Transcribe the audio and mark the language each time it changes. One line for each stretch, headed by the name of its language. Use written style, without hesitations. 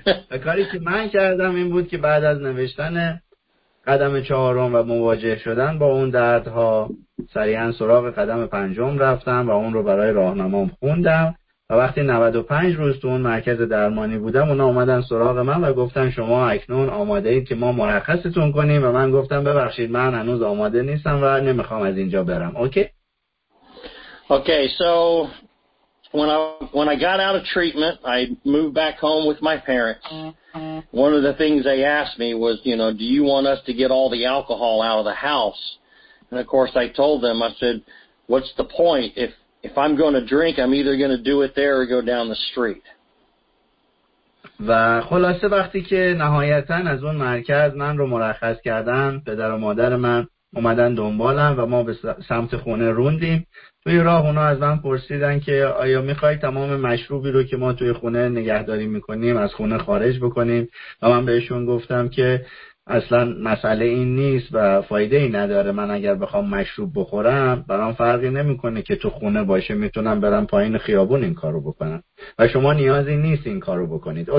Persian: و کاری که من کردم این بود که بعد از نوشتن قدم چهارم و مواجه شدن با اون دردها، سریعا سراغ قدم پنجم رفتم و اون رو برای راهنمام خوندم و وقتی 95 روز تو اون مرکز درمانی بودم، اونا اومدن سراغ من و گفتن شما اکنون آماده اید که ما مرخصتون کنیم، و من گفتم ببخشید من هنوز آماده نیستم و نمیخوام از اینجا برم. اوکی
English: سو When I got out of treatment, I moved back home with my parents. One of the things they asked me was, you know, do you want us to get all the alcohol out of the house? And of course I told them, I said, what's the point? If I'm going to drink, I'm either going to do it there or go down the street.
Persian: و خلاصه وقتی که نهایتاً از اون مرکز من رو مرخص کردن، پدر و مادر من اومدن دنبالم و ما به سمت خونه روندیم. توی راه اونا از من پرسیدن که آیا میخوای تمام مشروبی رو که ما توی خونه نگهداری میکنیم از خونه خارج بکنیم، و من بهشون گفتم که اصلا مسئله این نیست و فایده ای نداره، من اگر بخوام مشروب بخورم برام فرقی نمیکنه که تو خونه باشه، میتونم برم پایین خیابون این کارو بکنم و شما نیازی نیست این کارو بکنید.